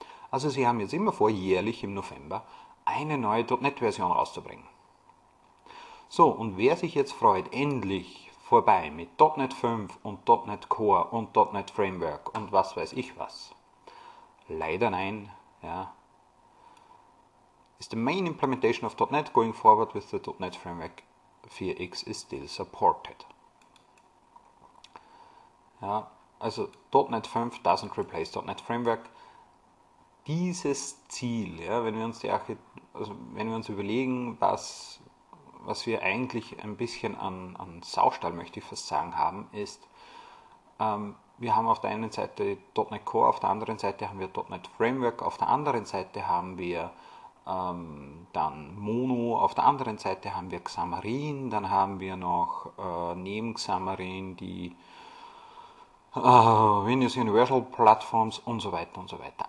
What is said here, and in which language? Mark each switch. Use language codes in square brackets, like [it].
[de] Also Sie haben jetzt immer vor, jährlich im November eine neue .NET-Version rauszubringen. So, und wer sich jetzt freut, endlich vorbei mit .NET 5 und .NET Core und .NET Framework und was weiß ich was. Leider nein, ja. [en] Is the main implementation of .NET going forward with the .NET Framework 4x is still supported? [de] Ja, also [en] .NET 5 doesn't replace .NET Framework. [de] Dieses Ziel, ja, wenn wir uns überlegen, was wir eigentlich ein bisschen an Saustall, möchte ich fast sagen, haben, ist, wir haben auf der einen Seite .NET Core, auf der anderen Seite haben wir .NET Framework, auf der anderen Seite haben wir dann Mono, auf der anderen Seite haben wir Xamarin, dann haben wir noch neben Xamarin die Windows Universal Platforms und so weiter und so weiter.